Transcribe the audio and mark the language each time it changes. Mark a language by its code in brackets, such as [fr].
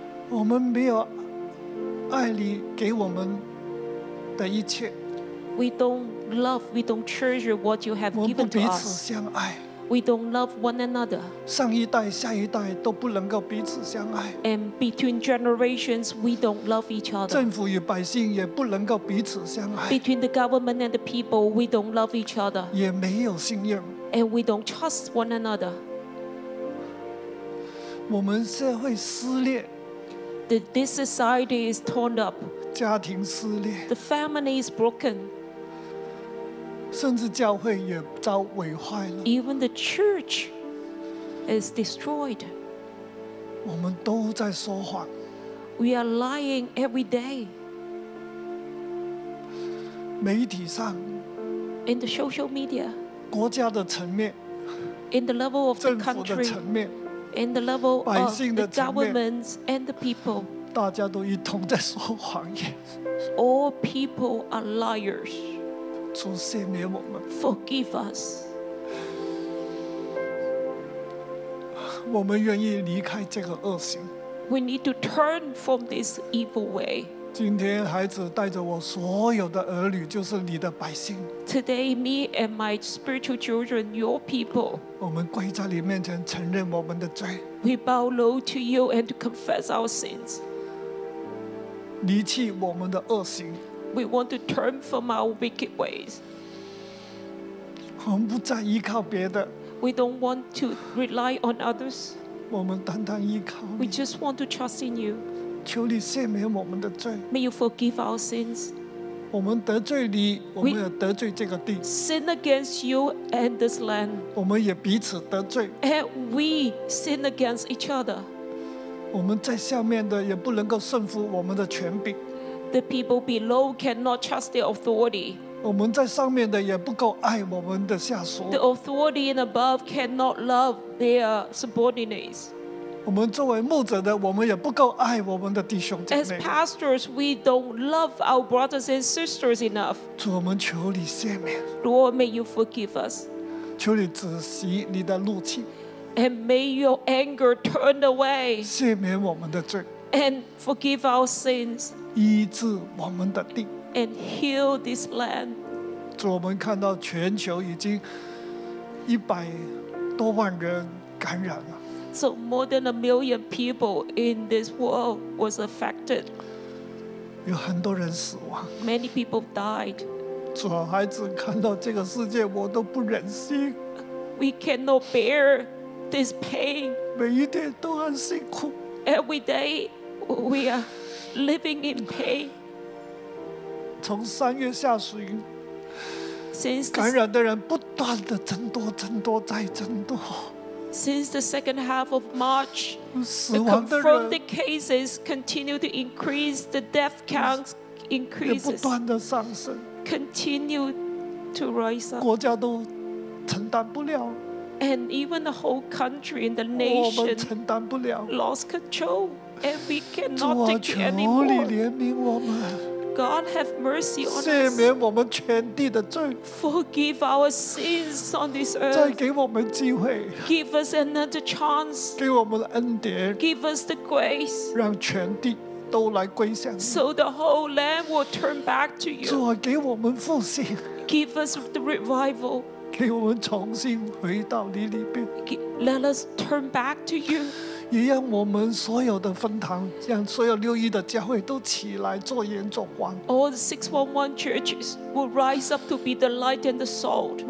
[zh] 我们没有爱你给我们的一切。 [en] We don't love, we don't treasure what you have given to us. [zh] 我们不彼此相爱。 [en] We don't love one another. [zh] 上一代、下一代都不能够彼此相爱。 [en] And between generations, we don't love each other. [zh] 政府与百姓也不能够彼此相爱。 [en] Between the government and the people, we don't love each other. [zh] 也没有信任。 [en] And we don't trust one another. [zh] 我们社会撕裂。 [en] This society is torn up. [zh] 家庭撕裂。 [en] The family is broken. [zh] 甚至教会也遭毁坏了。 [en] Even the church is destroyed. [zh] 我们都在说谎。 [en] We are lying every day. [zh] 媒体上。 [en] In the social media. [zh] 国家的层面。 [en] In the level of the country. [zh] 政府的层面。 [en] In the level of the governments and the people, [zh] 大家都一同在说谎言。 [en] All people are liars. [zh] 主赦免我们。 [en] Forgive us. [zh] 我们愿意离开这个恶行。 [en] We need to turn from this evil way. [zh] 今天孩子带着我所有的儿女，就是你的百姓。 [en] Today, me and my spiritual children, your people. [zh] 我们跪在你面前承认我们的罪。 [en] We bow low to you and to confess our sins. [zh] 离弃我们的恶行。 [en] We want to turn from our wicked ways. [zh] 我们不再依靠别的。 [en] We don't want to rely on others. [zh] 我们单单依靠你。 [en] We just want to trust in you. [zh] 求你赦免我们的罪。 [en] May you forgive our sins. [zh] 我们得罪你，我们也得罪这个地。 [en] We sin against you and this land. [zh] 我们也彼此得罪。 [en] And we sin against each other. [zh] 我们在下面的也不能够顺服我们的权柄。 [en] The people below cannot trust their authority. [zh] 我们在上面的也不够爱我们的下属。 [en] The authority in above cannot love their subordinates. [zh] 我们作为牧者的，我们也不够爱我们的弟兄姐妹。 [en] As pastors, we don't love our brothers and sisters enough. [zh] 主，我们求你赦免。 [en] Lord, may you forgive us. [zh] 求你止息你的怒气。 [en] And may your anger turn away. [zh] 赦免我们的罪。 [en] And forgive our sins. [zh] 医治我们的地。 [en] And heal this land. [zh] 主，我们看到全球已经一百多万人感染了。 [en] So more than 1 million people in this world was affected. [zh] 有很多人死亡。 [en] Many people died. [zh] 主，孩子看到这个世界，我都不忍心。 [en] We cannot bear this pain. [zh] 每一天都很辛苦。 [en] Every day we are living in pain. [zh] 从三月下旬。 [en] Since [zh] 感染的人不断的增多，增多再增多。 [en] Since the second half of March, the confirmed cases continue to increase. The death counts increases. [zh] 也不断的上升。 [en] Continue to rise up. [zh] 国家都承担不了。 [en] And even the whole country and the nation [zh] 我们承担不了。 [en] Lost control, and we cannot take it anymore. [zh] 求你怜悯我们。 [en] God have mercy on us. [zh] 赦免我们全地的罪。 [en] Forgive our sins on this earth. [zh] 再给我们机会。 [en] Give us another chance. [zh] 给我们恩典。 [en] Give us the grace. [zh] 让全地都来归向你。 [en] So the whole land will turn back to you. [zh] 主啊，给我们复兴。 [en] Give us the revival. [zh] 给我们重新回到你里边。 [en] Let us turn back to you. [zh] 也让我们所有的分堂，让所有六一的教会都起来做盐做光。 [en] All the 611 churches will rise up to be the light and the salt.